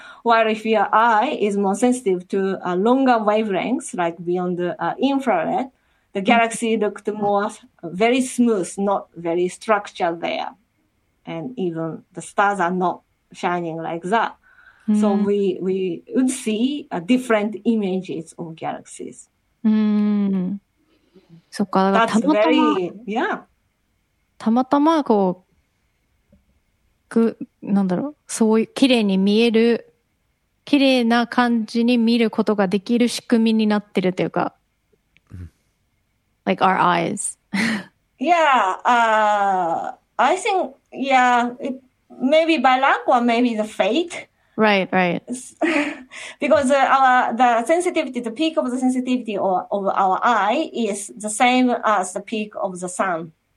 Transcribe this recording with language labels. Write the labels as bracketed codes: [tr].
[en] While if your eye is more sensitive to longer wavelengths, like beyond the infrared, the galaxy looked more very smooth, not very structured there. And even the stars are not shining like that. So we would see different images of galaxies. [ja] そっか、だからたまたま、 [en] yeah. [ja] たまたまこう、なんだろう、そういう綺麗に見える、綺麗な感じに見ることができる仕組みになってるというか、 [en] like our eyes. Yeah, I think, maybe by luck or maybe the fate. Right, right. Because the sensitivity, the peak of the sensitivity of our eye is the same as the peak of the sun.